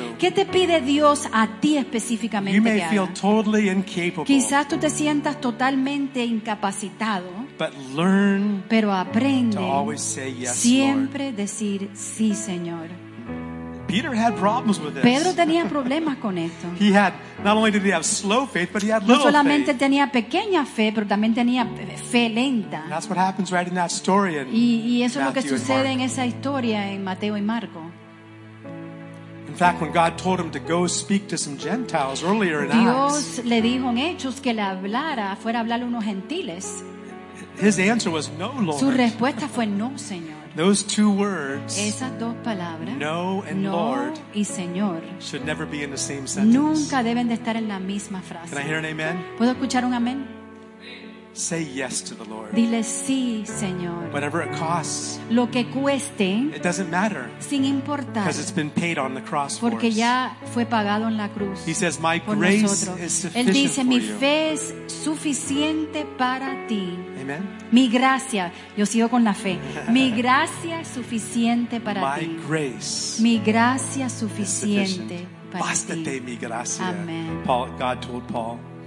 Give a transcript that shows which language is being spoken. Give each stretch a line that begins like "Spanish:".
Spanish: ¿Qué te pide Dios a ti específicamente que haga?
English: Totally,
Spanish: quizás tú te sientas totalmente incapacitado, pero aprende siempre decir sí, Señor.
English: Peter had problems with this.
Spanish: Pedro tenía problemas con esto.
English: He had, not only did he have slow faith, but he had little faith.
Spanish: No solamente tenía pequeña fe, pero también tenía fe lenta.
English: And that's what happens right in that story in
Spanish: y eso es lo que sucede en esa historia en Mateo y Marco.
English: In fact, when God told him to go speak to some Gentiles earlier in Acts,
Spanish: Dios le dijo en Hechos que le hablara, fuera a hablarle a unos gentiles.
English: His answer was no, Lord.
Spanish: Su respuesta fue no, Señor.
English: Those two words,
Spanish: esas dos palabras,
English: no and
Spanish: no
English: Lord,
Spanish: y Señor,
English: should never be in the same sentence.
Spanish: Nunca deben de estar en la misma frase.
English: Can I hear an amen?
Spanish: ¿Puedo escuchar un amén?
English: Say yes to the Lord.
Spanish: Dile sí, Señor.
English: Whatever it costs,
Spanish: lo que cueste,
English: it doesn't matter,
Spanish: sin importar,
English: because it's been paid on the cross for us.
Spanish: Porque ya fue pagado en la cruz.
English: He says, "My grace is sufficient for you."
Spanish: Él dice, "Mi fe es suficiente para ti."
English: Amen.
Spanish: Mi gracia, yo sigo con la fe. Mi gracia es suficiente para ti.
English: My grace.
Spanish: Mi gracia suficiente para ti. Bástate mi gracia.
English: Amen. Paul, God told Paul.